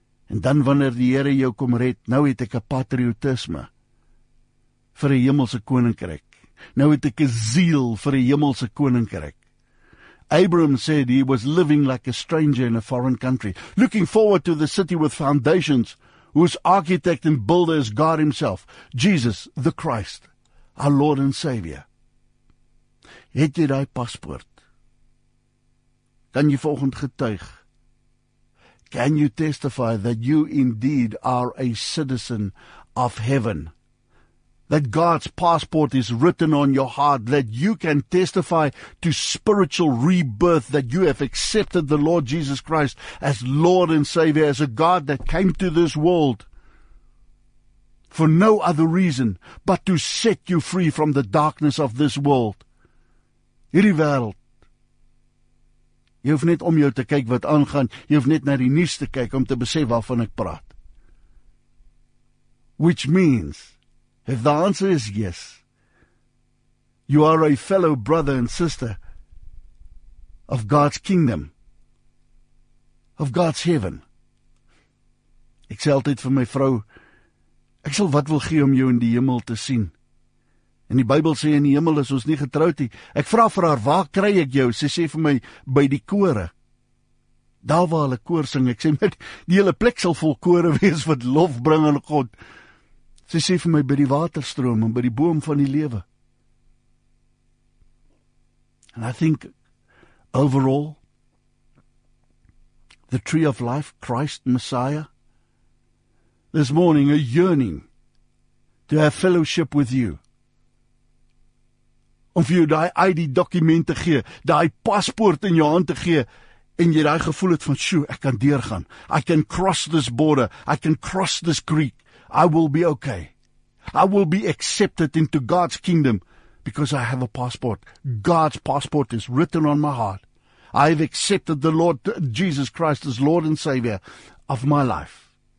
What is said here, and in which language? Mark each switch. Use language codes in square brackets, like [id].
[af] En dan wanneer die Here jou kom red, nou het ek 'n patriotisme vir 'n hemelse koninkryk. Nou het ek 'n seel vir 'n hemelse koninkryk. [en] Abram said he was living like a stranger in a foreign country, looking forward to the city with foundations, whose architect and builder is God himself, Jesus the Christ, our Lord and Savior. [af] Het jy daai paspoort? Kan jy volgende getuig? [en] Can you testify that you indeed are a citizen of heaven? That God's passport is written on your heart, that you can testify to spiritual rebirth, that you have accepted the Lord Jesus Christ as Lord and Savior, as a God that came to this world for no other reason but to set you free from the darkness of this world. [af] Hierdie wêreld. Jy hoef net om jou te kyk wat aangaan, jy hoef net na die nuus te kyk om te besef waarvan ek praat. [en] Which means, if the answer is yes, you are a fellow brother and sister of God's kingdom, of God's heaven. [af] Ek sê altyd vir my vrou, ek sal wat wil gee om jou in die hemel te sien. En die Bybel sê in die hemel is ons nie getroud nie. Ek vra vir haar, waar kry ek jou? Sy sê vir my, by die kore. Daar waar hulle koor sing, ek sê, die hele plek sal vol kore wees wat lof bring aan God. Sy sê vir my, by die waterstroom en by die boom van die lewe. [en] And I think, overall, the tree of life, Christ, Messiah, this morning, a yearning to have fellowship with you. [af] Om vir jou die ID document te gee, die paspoort in jou hand te gee, en jy die gevoel het van, shoo, ek kan deurgaan. [en] I can cross this border, I can cross this creek. I will be okay. I will be accepted into God's kingdom because I have a passport. God's passport is written on my heart. I have accepted the Lord Jesus Christ as Lord and Savior of my life.